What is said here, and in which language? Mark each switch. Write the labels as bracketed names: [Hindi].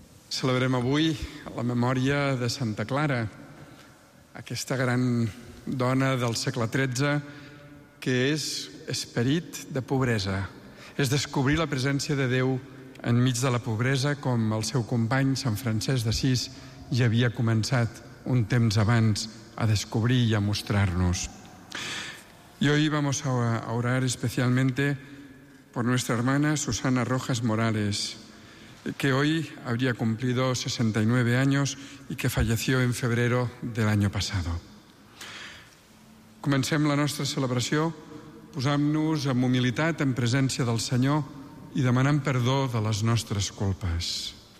[Catalan] Celebrem avui la memòria de Santa Clara, aquesta gran dona del segle XIII que és esperit de pobresa. És descobrir la presència de Déu enmig de la pobresa, com el seu company Sant Francesc d'Assís ja havia començat un temps abans a descobrir i a mostrar-nos. [Spanish] Y hoy vamos a orar especialmente por nuestra hermana Susana Rojas Morales, que hoy habría cumplido 69 años y que falleció en febrero del año pasado. [Catalan] Comencem la nostra celebració posant-nos amb humilitat en presència del Senyor i demanant perdó de les nostres culpes.